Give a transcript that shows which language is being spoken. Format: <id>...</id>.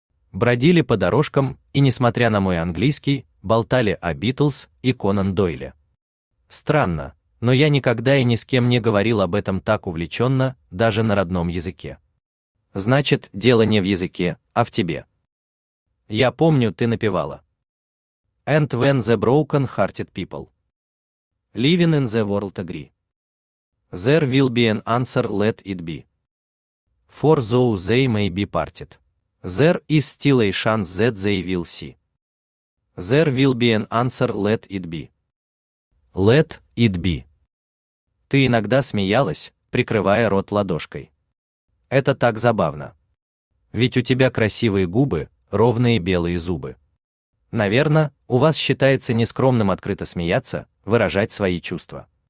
<ru>Бродили по дорожкам и, несмотря на мой английский, болтали о Битлз и Конан Дойле. Странно, но я никогда и ни с кем не говорил об этом так увлеченно, даже на родном языке. Значит, дело не в языке, а в тебе. Я помню, ты напевала.</ru> <en>And when the broken hearted people. Living in the world agree. There will be an answer, let it be. For though they may be parted. There is still a chance that they will see. There will be an answer, let it be. Let it be.</en> <ru>Ты иногда смеялась, прикрывая рот ладошкой. Это так забавно. Ведь у тебя красивые губы, ровные белые зубы. Наверное, у вас считается нескромным открыто смеяться, выражать свои чувства.</ru>